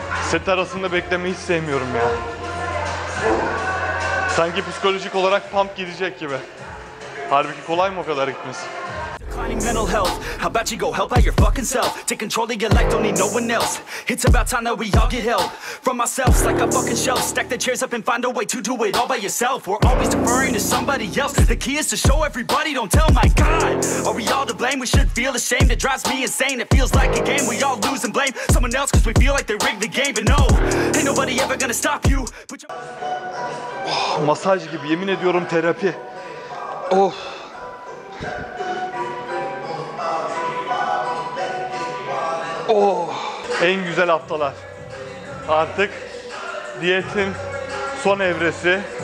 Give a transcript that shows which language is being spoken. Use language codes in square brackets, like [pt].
[tr] Set arasında beklemeyi hiç sevmiyorum ya. Sanki psikolojik olarak pump gidecek gibi. Halbuki kolay mı o kadar gitmesi? [en] Mental health, how about you go help out your fucking self? Take control of your life, don't need no one else. It's about time that we all get help from ourselves, like a fucking shelf. Stack the chairs up and find a way to do it all by yourself. We're always deferring to somebody else. The key is to show everybody, don't tell my God. Are we all to blame? We should feel ashamed. It drives me insane. It feels like a game. We all lose and blame someone else because we feel like they rigged the game. But no, ain't nobody ever gonna stop you. Put your... [tr] Oh, masaj gibi, yemin ediyorum terapi. Oh. Oh, en güzel haftalar. Artık diyetin son evresi.